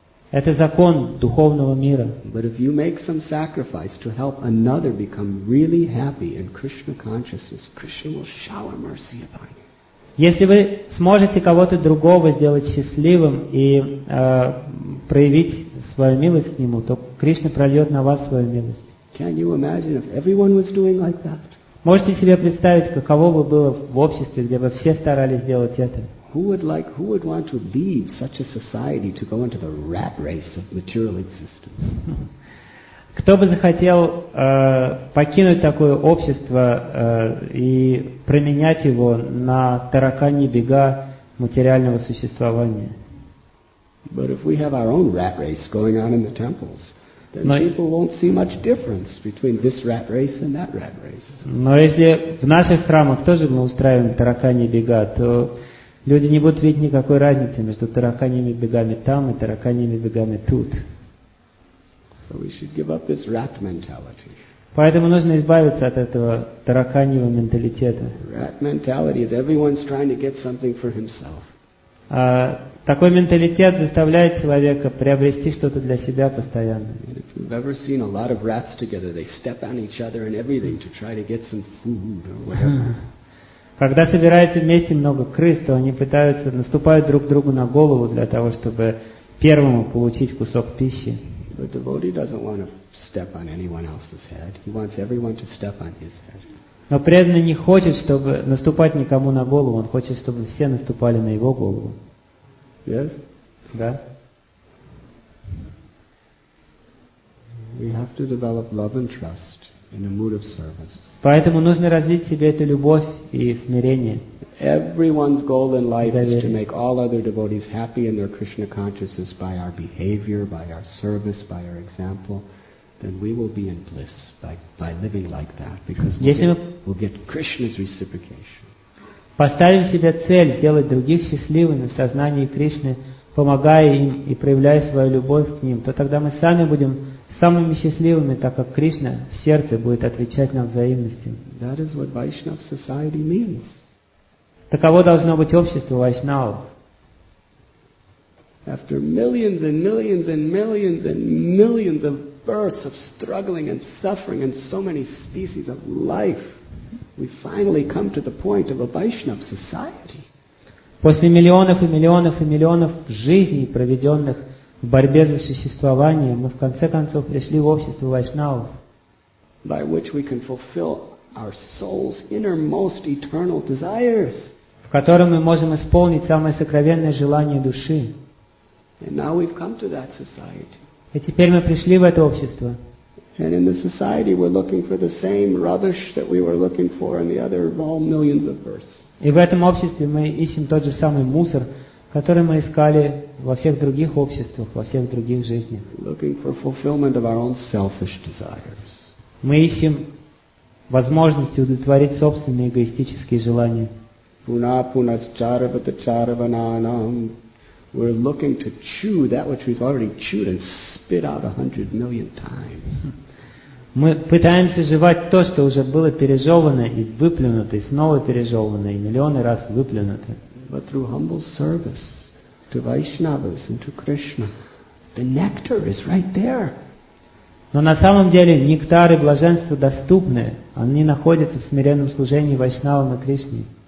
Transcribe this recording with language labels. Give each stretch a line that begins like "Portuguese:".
Russian: Это закон духовного мира.
English: But if you make some sacrifice to help another become really happy in Krishna consciousness, Krishna will shower mercy upon you.
Russian: Если вы сможете кого-то другого сделать счастливым и проявить свою милость к нему, то Кришна прольет на вас свою милость.
English: Can you imagine if everyone was doing like that?
Russian: Можете себе представить, каково бы было в обществе, где бы все старались сделать это?
English: Who would want to leave such a society to go into the rat race of material existence?
Russian: Кто бы захотел покинуть такое общество и променять его на тараканьи бега материального существования?
English: But if we have our own rat race going on in the temples, then people won't see much difference between this rat race and that rat race.
Russian: Но если в наших храмах тоже мы устраиваем тараканьи бега, то люди не будут видеть никакой разницы между тараканьими бегами там и тараканьими бегами тут.
English: So we should give up this rat mentality.
Russian: Поэтому нужно избавиться от этого тараканьего менталитета.
English: Rat mentality is everyone's trying to get something for himself.
Russian: Такой менталитет заставляет человека приобрести что-то для себя постоянно.
English: And if you've ever seen a lot of rats together, they step on each other and everything to try to get some food or whatever.
Russian: Когда собирается вместе много крыс, то они пытаются наступают друг другу на голову для того, чтобы первому получить кусок пищи.
English: But the devotee doesn't want to step on anyone else's head. He wants everyone to step on his head.
Russian: Но преданный не хочет, чтобы наступать никому на голову. Он хочет, чтобы все наступали на его голову.
English: Yes?
Russian: Да.
English: We have to develop love and trust in a mood of service.
Russian: Поэтому нужно развить в себе эту любовь и смирение.
English: Everyone's goal in life is to make all other devotees happy in their Krishna consciousness by our behavior, by our service, by our example. Then we will be in bliss by living like that, because we'll get Krishna's reciprocation.
Russian: Поставим себе цель сделать других счастливыми в сознании Кришны, помогая им и проявляя свою любовь к ним, то тогда мы сами будем самыми счастливыми, так как Кришна в сердце будет отвечать нам взаимностью.
English: That is what Vaishnava society means.
Russian: Таково должно быть общество вайшнавов.
English: After millions and millions and millions and millions of births of struggling and suffering and so many species of life, we finally come to the point of a Vaishnava society.
Russian: После миллионов и миллионов и миллионов жизней, проведенных в борьбе за существование, мы в конце концов пришли в общество вайшнавов.
English: By which we can fulfill our soul's innermost eternal desires.
Russian: В котором мы можем исполнить самое сокровенное желание души.
English: And now we've come to that society.
Russian: И теперь мы пришли в это общество.
English: And in the society we're looking for the same rubbish that we were looking for in the other all millions of births.
Russian: И в этом обществе мы ищем тот же самый мусор, который мы искали во всех других обществах, во всех других жизнях.
English: Looking for fulfillment of our own selfish desires.
Russian: Мы ищем возможности удовлетворить собственные эгоистические желания.
Sanskrit: Puna punas charavata charavananam.
English: We're looking to chew that which we've already chewed and spit out 100 million times.
Russian: Мы пытаемся жевать то, что уже было пережевано и выплюнуто, и снова пережевано, и миллионы раз выплюнуто.
English: But through humble service to Vaishnavas and to Krishna, the nectar is right there.
Russian: Но на самом деле нектар и блаженство доступны. Они находятся в смиренном служении Вайшнавам и Кришне.